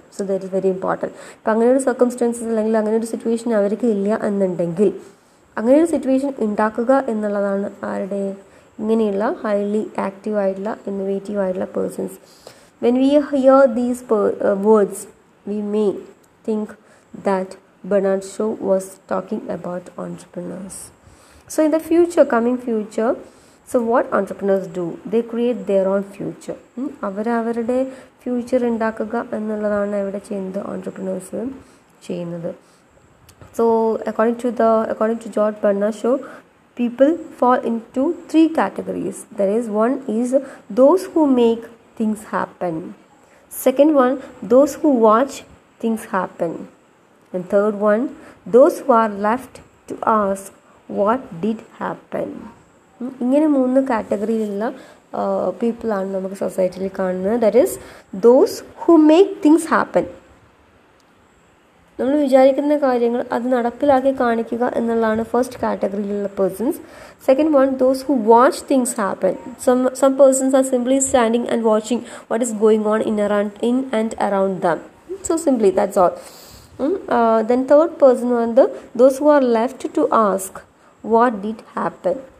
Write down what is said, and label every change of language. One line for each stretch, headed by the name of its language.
English: So that is very important.
Malayalam: ഇപ്പം അങ്ങനെ ഒരു സർക്കംസ്റ്റാൻസസ് അല്ലെങ്കിൽ അങ്ങനെ ഒരു സിറ്റുവേഷൻ അവർക്ക് ഇല്ല എന്നുണ്ടെങ്കിൽ അങ്ങനെ ഒരു സിറ്റുവേഷൻ ഉണ്ടാക്കുക എന്നുള്ളതാണ് ആരുടെ ഇങ്ങനെയുള്ള ഹൈലി ആക്റ്റീവ് ആയിട്ടുള്ള ഇന്നൊവേറ്റീവ് ആയിട്ടുള്ള persons
English: When we hear these words we may think that Bernard Shaw was talking about entrepreneurs so in the future coming future So what entrepreneurs do? They create their own future.
Malayalam: അവരവരുടെ future ഉണ്ടാക്കുക എന്നുള്ളതാണ് ഇവിടെ ചെയ്യുന്നത് entrepreneurs ചെയ്യുന്നത്
English: So according to George Bernard Shaw, people fall into three categories. That is, one is those who make things happen. Second one, those who watch things happen. And third one, those who are left to ask what did happen.
Malayalam: ഇങ്ങനെ മൂന്ന് കാറ്റഗറിയിലുള്ള പീപ്പിളാണ് നമുക്ക് സൊസൈറ്റിയിൽ കാണുന്നത്
English: that is those who make things happen
Malayalam: നമ്മൾ വിചാരിക്കുന്ന കാര്യങ്ങൾ അത് നടപ്പിലാക്കി കാണിക്കുക എന്നുള്ളതാണ് first കാറ്റഗറിയിലുള്ള persons
English: second one those who watch things happen some persons are simply standing and watching what is going on in around in and around them so simply that's all then third person വന്ന് those who are left to ask what did happen